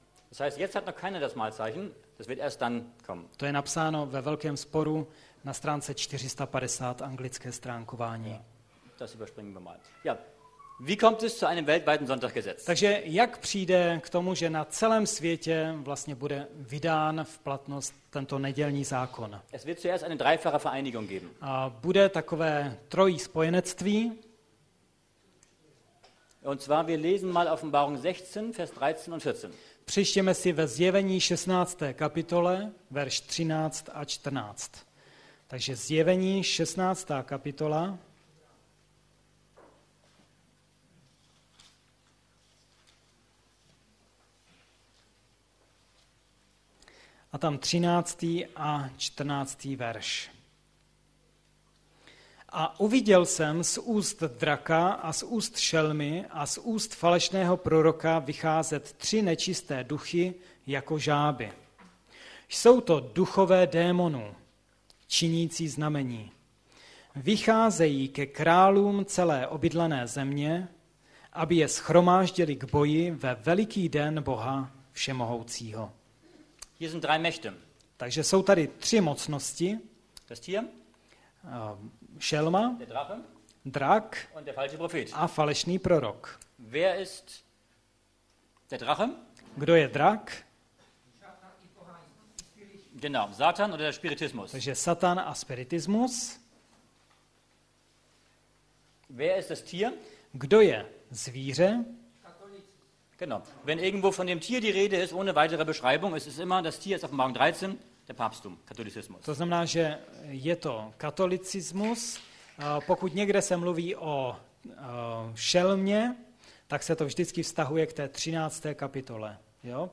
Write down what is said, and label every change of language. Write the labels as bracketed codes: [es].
[de] Das heißt, jetzt hat noch keiner das Malzeichen, das wird erst dann kommen. [cs] To je napsáno ve velkém sporu na stránce 450 anglické stránkování. [de] Das überspringen wir mal. Ja. Wie kommt es zu einem weltweiten Sonntaggesetz? [cs] Takže jak přijde k tomu, že na celém světě vlastně bude vydán v platnost tento nedělní zákon? [de] Es wird zuerst eine dreifache Vereinigung geben. [cs] A bude takové trojí spojenectví. [de] Und zwar wir lesen mal Offenbarung 16 Vers 13 und 14. [cs] Přečteme si ve Zjevení 16. kapitole verš 13 a 14. Takže Zjevení 16. kapitola. A tam 13. a 14. verš. A uviděl jsem z úst draka a z úst šelmy a z úst falešného proroka vycházet tři nečisté duchy jako žáby. Jsou to duchové démonů, činící znamení. Vycházejí ke králům celé obydlené země, aby je shromáždili k boji ve veliký den Boha všemohoucího. [de] Hier sind drei Mächte. [cs] Takže jsou tady tři mocnosti. [de] Das Tier, [cs] šelma, [de] der Drache, [cs] drak [de] und der falsche Prophet. [cs] A falešný prorok. [de] Wer ist der Drache? [cs] Kdo je drak? [de] Genau, Satan oder der Spiritismus. [cs] Takže Satan a Spiritismus. [de] Wer ist das Tier? [cs] Kdo je zvíře? Genau. [de] Wenn irgendwo von dem Tier die Rede ist, ohne weitere Beschreibung, ist es immer das Tier, ist auf Offenbarung 13, der Papsttum, Katholizismus. [cs] To znamená, že je to katolicismus. Pokud někde se mluví o šelmě, tak se to vždycky vztahuje k té 13. kapitole. Jo?